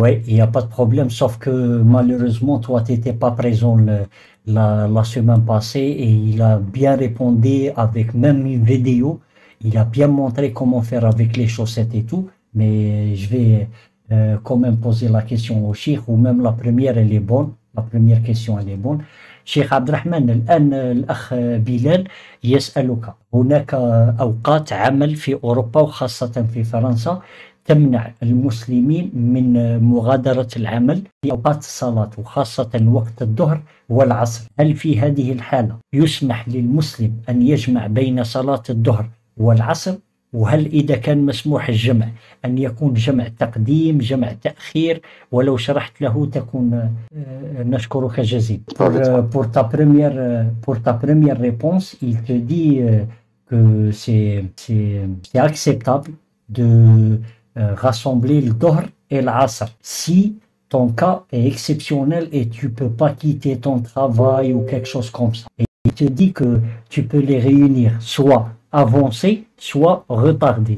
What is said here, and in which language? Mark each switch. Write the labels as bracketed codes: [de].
[fr] Oui, il n'y a pas de problème, sauf que malheureusement, toi, tu n'étais pas présent la semaine passée et il a bien répondu avec même une vidéo. Il a bien montré comment faire avec les chaussettes et tout. Mais je vais quand même poser la question au Cheikh, ou même la première, elle est bonne. La première question, elle est bonne. [ar] Cheikh Abdrahman, الآن الأخ بلال يسألك هناك أوقات عمل في أوروبا وخاصة في فرنسا تمنع المسلمين من مغادرة العمل في أوقات الصلاة وخاصة وقت الظهر والعصر، هل في هذه الحالة يسمح للمسلم أن يجمع بين صلاة الظهر والعصر؟ وهل إذا كان مسموح الجمع أن يكون جمع تقديم جمع تأخير ولو شرحت له تكون نشكرك جزيلا [fr] Parfaitement. pour ta première réponse il te dit que c'est acceptable de rassembler le dhuhr et l'asr si ton cas est exceptionnel et tu peux pas quitter ton travail ou quelque chose comme ça et il te dit que tu peux les réunir soit avancer, soit retarder.